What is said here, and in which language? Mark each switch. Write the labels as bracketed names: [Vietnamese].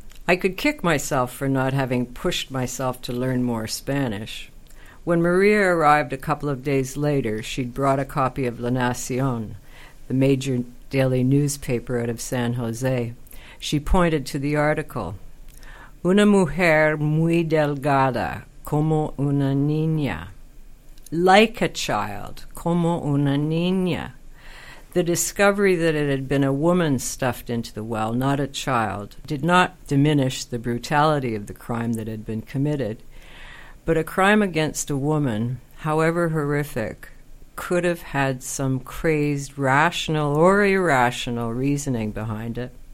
[English] I could kick myself for not having pushed myself to learn more Spanish. When Maria arrived a couple of days later, she'd brought a copy of La Nación, the major daily newspaper out of San Jose. She pointed to the article. [Spanish] Una mujer muy delgada, como una niña. [English] Like a child, [Spanish] como una niña. [English] The discovery that it had been a woman stuffed into the well, not a child, did not diminish the brutality of the crime that had been committed. But a crime against a woman, however horrific, could have had some crazed rational or irrational reasoning behind it.